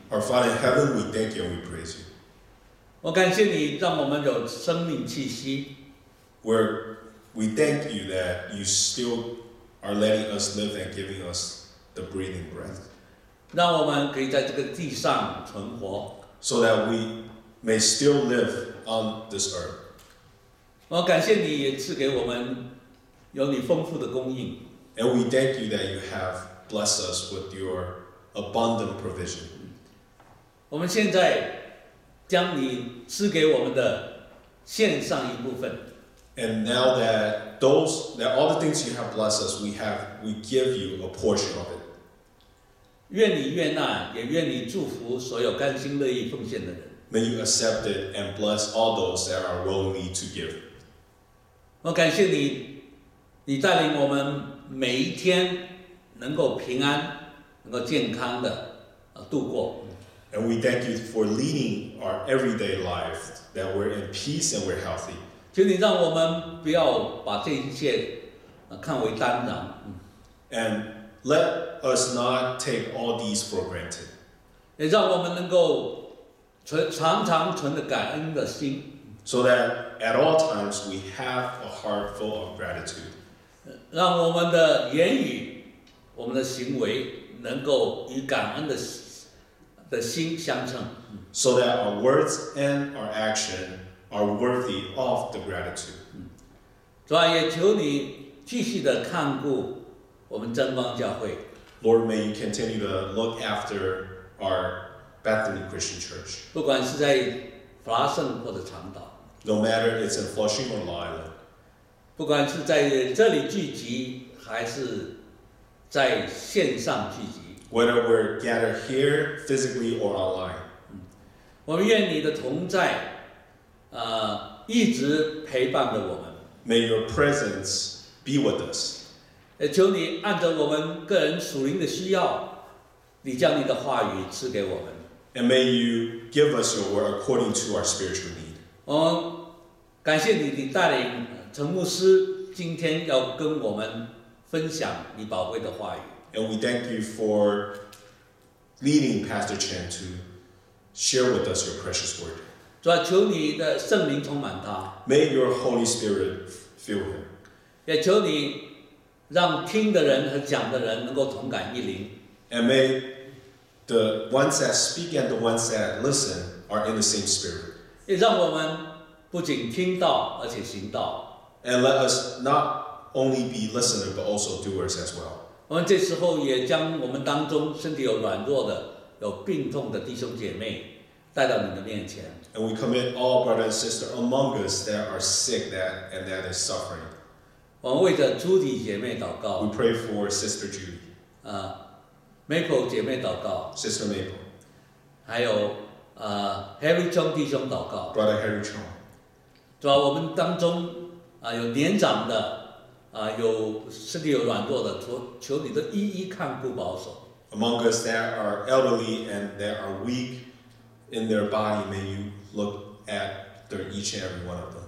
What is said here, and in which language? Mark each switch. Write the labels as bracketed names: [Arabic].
[English] Our Father in heaven, we thank you and we praise you. [Chinese] 我感谢你让我们有生命气息。 [English] We thank you that you still are letting us live and giving us the breathing breath. [Chinese] 让我们可以在这个地上存活。 [English] So that we may still live on this earth. [Chinese] 我感谢你也赐给我们有你丰富的供应。 [English] And we thank you that you have blessed us with your abundant provision. [Chinese] 我们现在将你赐给我们的献上一部分。 [English] And now that all the things you have blessed us, we give you a portion of it. [Chinese] 愿你悦纳，也愿你祝福所有甘心乐意奉献的人。 [English] May you accept it and bless all those that are willing to give. [Chinese] 我感谢你，你带领我们每一天能够平安、能够健康的度过。 [English] And we thank you for leading our everyday life that we're in peace and we're healthy. [Chinese] 请你让我们不要把这一切看为单然。 [English] And let us not take all these for granted. [Chinese] 也让我们能够常常存着感恩的心。 [English] So that at all times we have a heart full of gratitude. [Chinese] 让我们的言语、我们的行为能够与感恩 的心相称。 [English] So that our words and our action are worthy of the gratitude. [Chinese] 主啊，也求你继续的看顾我们真光教会。 [English] Lord, may you continue to look after our Bethany Christian Church. [Chinese] 不管是在弗拉盛或者长岛。 [English] No matter it's in Flushing or Lila. [Chinese] 不管是在这里聚集，还是在线上聚集 [English] ，Whether we're gathered here physically or online， [Chinese] 我们愿你的同在，一直陪伴着我们。 [English] May your presence be with us。 [Chinese] 也求你按照我们个人属灵的需要，你将你的话语赐给我们。 [English] And may you give us your word according to our spiritual need。 [Chinese] 我感谢你的带领。陈牧师今天要跟我们分享你宝贵的话语。 [English] And we thank you for leading Pastor Chen to share with us your precious word. [Chinese] 主啊，求你的圣灵充满他。 [English] May your Holy Spirit fill him. [Chinese] 也求你让听的人和讲的人能够同感一灵。 [English] And may the ones that speak and the ones that listen are in the same spirit. [Chinese] 也让我们不仅听到，而且行道。 [English] And let us not only be listeners, but also doers as well. [Chinese] 我们这时候也将我们当中身体有软弱的、有病痛的弟兄姐妹带到你的面前。 [English] And we commit all brothers and sisters among us that are sick and that is suffering. [Chinese] 我们为着朱迪姐妹祷告。 [English] We pray for Sister Judy. [Chinese] Maple 姐妹祷告。 [English] Sister Maple. [Chinese] 还有Harry Chung 弟兄祷告。 [English] Brother Harry Chung. [Chinese] 主啊，我们当中。有年长的，有身体有软弱的，求你都一一看顾保守。 [English] Among us that are elderly and that are weak in their body, may you look at each and every one of them.